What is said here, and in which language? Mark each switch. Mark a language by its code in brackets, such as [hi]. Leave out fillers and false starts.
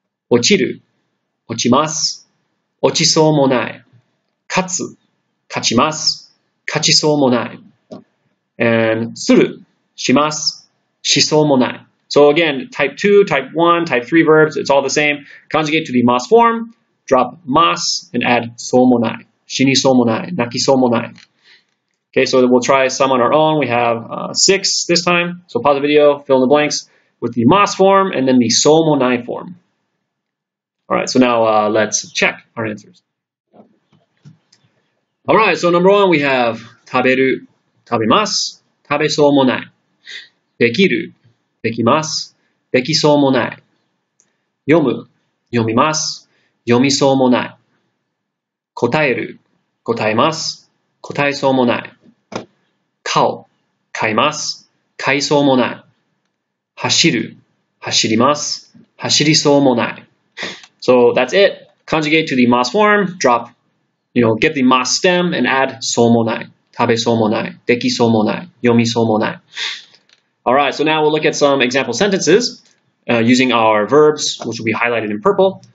[ja] 落ちる、落ちます, 落ちそうもない。勝つ、勝ちます, 勝ちそうもない。 And する、します, しそうもない。 [en] So again, type 2, type 1, type 3 verbs, it's all the same. Conjugate to the mas form, drop mas and add そうもない。 [ja] 死にそうもない、泣きそうもない。 [en] Okay, so we'll try some on our own. We have 6 this time. So pause the video, fill in the blanks with the mas form and then the so mo nai form. All right, so now let's check our answers. All right, so number one, we have [ja] 食べる、食べます、食べそうもない。できる、できます、できそうもない。読む、読みます、読みそうもない。答える、答えます、答えそうもない。買う、買います、買いそうもない。走る、走ります、走りそうもない。 [en] So that's it. Conjugate to the mas form, drop, you know, get the mas stem and add そうもない。 [ja] 食べそうもない、できそうもない、読みそうもない。 [en] Alright, so now we'll look at some example sentences using our verbs, which will be highlighted in purple.